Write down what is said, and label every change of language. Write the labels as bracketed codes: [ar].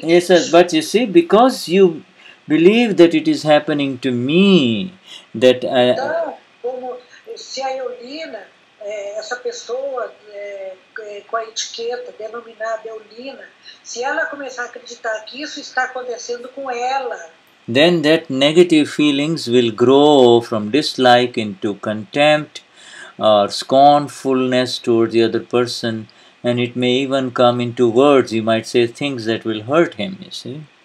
[en] Yes, sir, but you see, because you believe that it is happening to me, that I... [pt] Se a Eulina, essa pessoa com a etiqueta denominada Eulina, se ela começar a acreditar que isso está acontecendo com ela, [en] then that negative feelings will grow from dislike into contempt or scornfulness towards the other person, and it may even come into words. You might say things that will hurt him, you see.